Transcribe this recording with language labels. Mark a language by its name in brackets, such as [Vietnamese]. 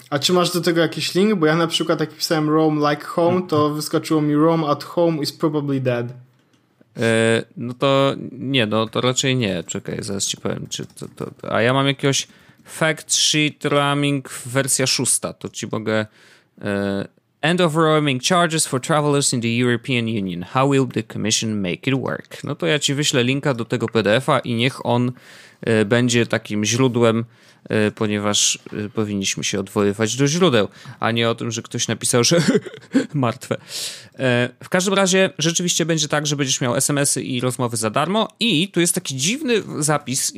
[Polish] A czy masz do tego jakiś link? Bo ja na przykład jak pisałem Roam like home, to wyskoczyło mi [English] Roam at home is probably dead. [Polish] No to nie, no to raczej nie. Czekaj, zaraz ci powiem, czy to... A ja mam jakiegoś Fact Sheet Roaming wersja 6, to ci mogę... [English] End of roaming charges for travelers in the European Union. How will the commission make it work? [Polish] No to ja ci wyślę linka do tego PDF-a i niech on będzie takim źródłem, ponieważ powinniśmy się odwoływać do źródeł, a nie o tym, że ktoś napisał, że martwe. W każdym razie rzeczywiście będzie tak, że będziesz miał SMS-y i rozmowy za darmo i tu jest taki dziwny zapis.